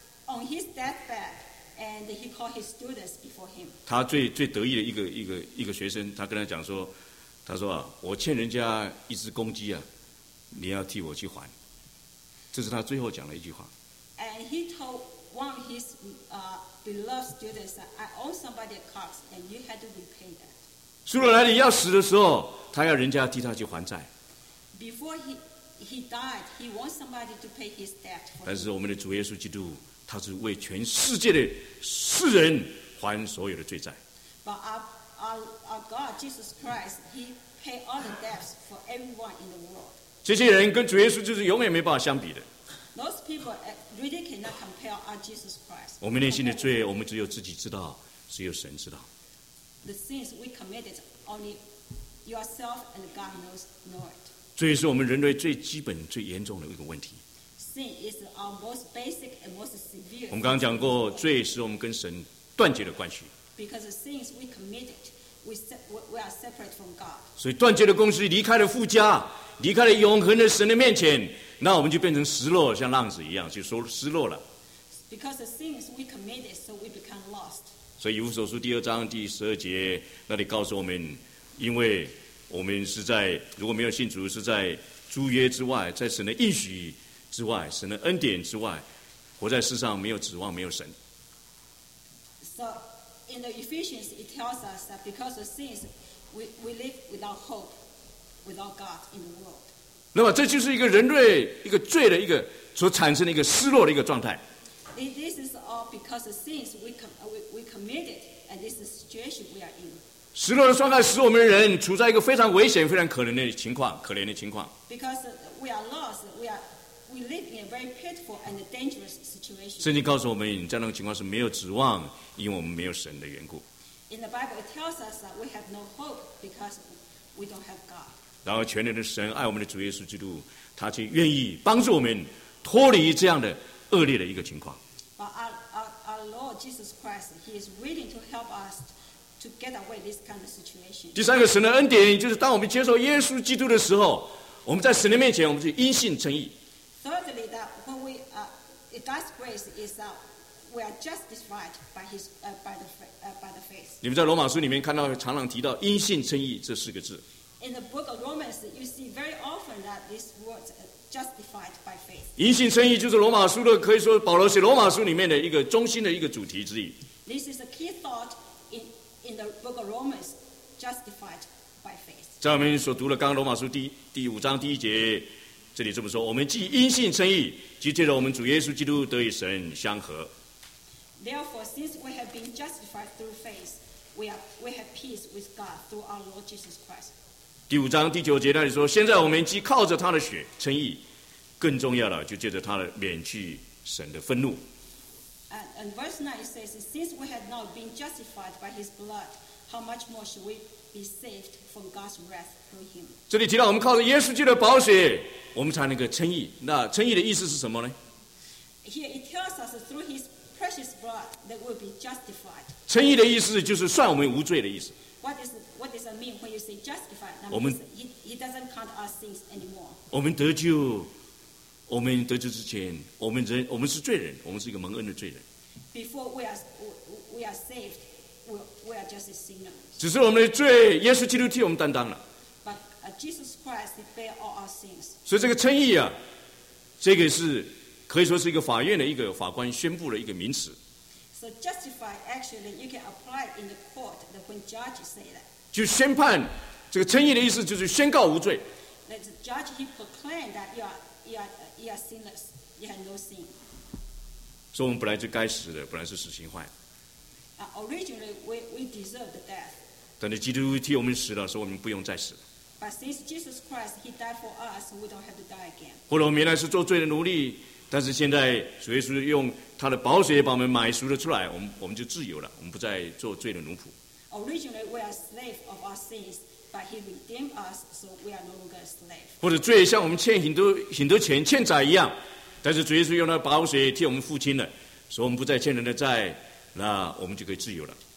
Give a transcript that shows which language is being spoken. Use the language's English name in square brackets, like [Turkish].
[English] On his deathbed, and he called his students before him. [Chinese] 他最得意的一个学生，他跟他讲说，他说、啊、我欠人家一只公鸡啊，你要替我去还。这是他最后讲的一句话。 [English] And he told one of his beloved students, "I owe somebody a cock, and you had to repay that." [Chinese] 苏格拉底要死的时候，他要人家替他去还债。 [English] Before he died, he wants somebody to pay his debt. [Chinese] 但是我们的主耶稣基督，他是为全世界的世人还所有的罪债。 [English] But our God Jesus Christ, he paid all the debts for everyone in the world. [Chinese] 这些人跟主耶稣就是永远没办法相比的。 [English] Those people really cannot compare our Jesus Christ. [Chinese] 我们内心的罪，我们只有自己知道，只有神知道。 [English] The sins we committed, only yourself and God know it. [Chinese] 罪是我们人类最基本、最严重的一个问题。 [English] Sin is our most basic and most severe. [Chinese] 我们刚刚讲过，罪是我们跟神断绝的关系。 [English] Because the sins we committed, we are separate from God. [Chinese] 所以断绝的关系，离开了父家。离开了永恒的神的面前，那我们就变成失落，像浪子一样，就说失落了。 [English] Because the sins we committed, so we become lost. [Chinese] 所以以弗所书第二章第十二节那里告诉我们，因为我们是在如果没有信主是在诸约之外，在神的应许之外，神的恩典之外，活在世上没有指望，没有神。 [English] So in the Ephesians, it tells us that because of sins, we live without hope, without God in the world. [Chinese] 那么这就是一个人类一个罪的一个所产生的一个失落的一个状态。 [English] This is all because of sins we committed, and this is the situation we are in. [Chinese] 失落的状态使我们人处在一个非常危险、非常可怜的情况，可怜的情况。 [English] Because we are lost, we live in a very pitiful and dangerous situation. [Chinese] 圣经告诉我们，这样的情况是没有指望，因为我们没有神的缘故。 [English] In the Bible, it tells us that we have no hope because we don't have God. [Chinese] 然后，全能的神爱我们的主耶稣基督，他却愿意帮助我们脱离这样的恶劣的一个情况。 [English] But our Lord Jesus Christ, He is willing to help us. To get away this kind of situation. [Chinese] 第三个神的恩典，就是当我们接受耶稣基督的时候，我们在神的面前，我们就因信称义。 [English] Thirdly, that when we God's grace is that we are justified by His by the faith. [Chinese] 你们在罗马书里面看到常常提到因信称义这四个字。 [English] In the book of Romans, you see very often that this word justified by faith. [Chinese] 因信称义就是罗马书的，可以说保罗写罗马书里面的一个中心的一个主题之一。 [English] This is a key thought. In the book of Romans, justified by faith. [Chinese] 在我们所读的刚刚罗马书第五章第一节，这里这么说：我们既因信称义，即借着我们主耶稣基督得与神相合。 [English] Therefore, since we have been justified through faith, we have peace with God through our Lord Jesus Christ. [Chinese] 第五章第九节那里说：现在我们既靠着他的血称义，更重要的就借着他的免去神的愤怒。 [English] And verse 9 says, Since we have now been justified by his blood, how much more should we be saved from God's wrath through him? [Chinese] 这里提到我们靠着耶稣基督的宝血，我们才能够称义。那称义的意思是什么呢？ [English] Here it tells us through his precious blood that we'll be justified. [Chinese] 称义的意思就是算我们无罪的意思。 [English] What does it mean when you say justified? That means he doesn't count our sins anymore. [Chinese] 我们得救。我们得救之前，我们是罪人，我们是一个蒙恩的罪人。 [English] Before we are saved, we are just a sinner. [Chinese] 只是我们的罪，耶稣基督替我们担当了。 [English] But Jesus Christ bear all our sins. [Chinese] 所以这个称义啊，这个是可以说是一个法院的一个法官宣布的一个名词。 [English] So justified actually you can apply in the court when judge say that. [Chinese] 就宣判，这个称义的意思就是宣告无罪。 [English] That the judge he proclaimed that you are sinless, you have no sin. [Chinese] 所以我们本来就该死的，本来是死刑犯。 [English] Originally, we deserved death. [Chinese] 但是基督替我们死了，所以我们不用再死。 [English] But since Jesus Christ, He died for us, we don't have to die again. [Chinese] 或者我们原来是做罪的奴隶，但是现在主耶稣用他的宝血把我们买赎了出来，我们就自由了，我们不再做罪的奴仆。 [English] Originally, we are slaves of our sins. But he redeemed us, so we are no longer slaves. [Chinese] 或者罪像我们欠很多钱欠债一样，但是主耶稣用他的宝血替我们付清了，所以我们不再欠人的债，那我们就可以自由了。